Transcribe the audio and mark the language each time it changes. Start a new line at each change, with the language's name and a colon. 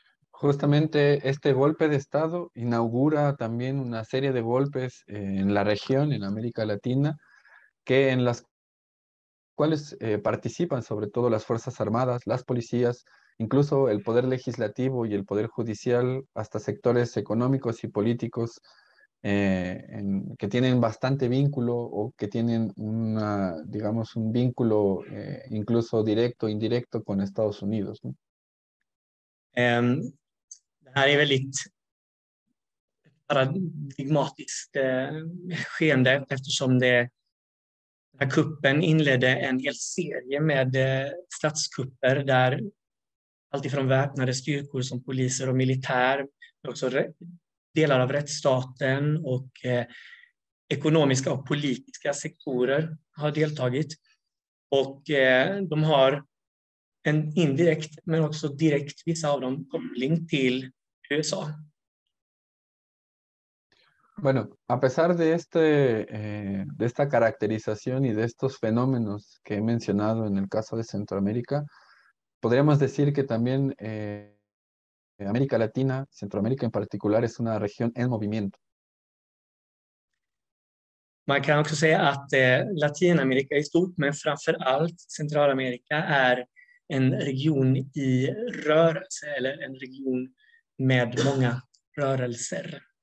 Spanish: Justamente este golpe de Estado inaugura también una serie de golpes en la región, en América Latina, que en las cuales participan sobre todo las Fuerzas Armadas, las policías, incluso el Poder Legislativo y el Poder Judicial, hasta sectores económicos y políticos que tienen bastante vínculo o que tienen una, digamos, un vínculo incluso directo o indirecto con Estados Unidos, ¿no?
Swedish: Det här är väldigt paradigmatiskt skeende, eftersom det här kuppen inledde en hel serie med statskupper där allt ifrån väpnade styrkor som poliser och militär också delar av rättsstaten och ekonomiska och politiska sektorer har deltagit. Och de har en indirekt, men också direkt, vissa av dem, koppling till USA.
Spanish: Bueno, a pesar de este, de esta caracterización y de estos fenómenos que he mencionado en el caso de Centroamérica, podríamos decir que también América Latina, Centroamérica en particular, es una región en movimiento.
Swedish: Man kan också säga att Latinamerika i stort, men framför allt Centralamerika, är en region i rörelse, eller en region med många rörelser.